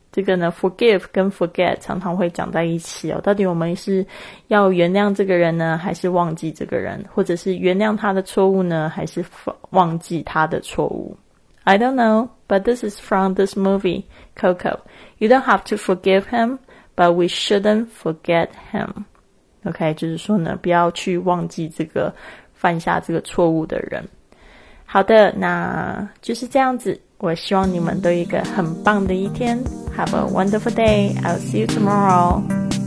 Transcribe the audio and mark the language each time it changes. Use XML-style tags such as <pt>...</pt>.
<zh>这个呢 ,forgive 跟 forget 常常会讲在一起哦。到底我们是要原谅这个人呢还是忘记这个人或者是原谅他的错误呢还是忘记他的错误 ?</zh> <en>I don't know, but this is from this movie, Coco. You don't have to forgive him, but we shouldn't forget him.</en> <zh>OK, 就是说呢不要去忘记这个犯下这个错误的人。好的，那就是这样子。我希望你们都有一个很棒的一天。</zh> <en>Have a wonderful day. I'll see you tomorrow.</en>